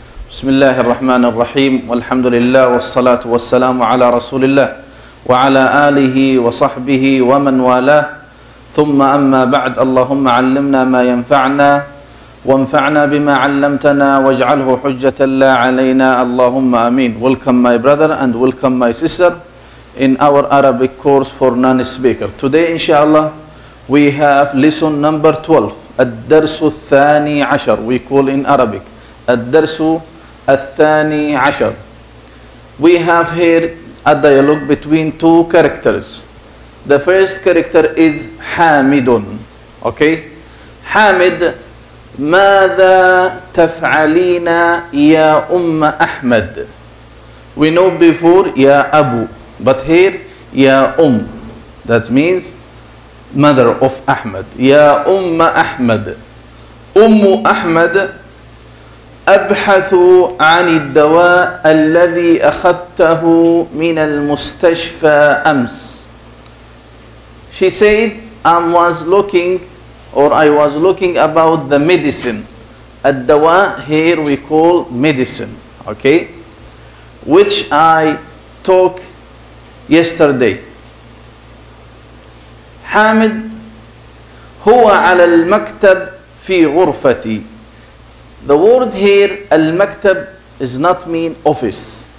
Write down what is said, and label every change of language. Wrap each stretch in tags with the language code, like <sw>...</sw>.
<ar>بسم الله الرحمن الرحيم، والحمد لله والصلاة والسلام على رسول الله وعلى آله وصحبه ومن والاه، ثم أما بعد، اللهم علمنا ما ينفعنا وانفعنا بما علمتنا واجعله حجة لا علينا، اللهم آمين.</ar> <en>Welcome my brother and welcome my sister in our Arabic course for non-speaker. Today inshallah we have lesson number 12.</en> <ar>الدرس الثاني عشر.</ar> <en>We call in Arabic</en> <ar>الدرس الثاني عشر.</ar> <en>We have here a dialogue between two characters. The first character is Hamidun. Okay, Hamid,</en> <ar>ماذا تفعلين يا أم أحمد؟</ar> <en>We know before يا أبو, but here يا أم, that means mother of أحمد.</en> <ar>يا أم أحمد, أم أحمد, أبحث عن الدواء الذي أخذته من المستشفى أمس.</ar> <en>She said, I was looking, or I was looking about the medicine. الدواء, here we call medicine, okay? Which I took yesterday.</en> <ar>حامد هو على المكتب في غرفتي.</ar> <en>The word here, المكتب, is not mean office.</en>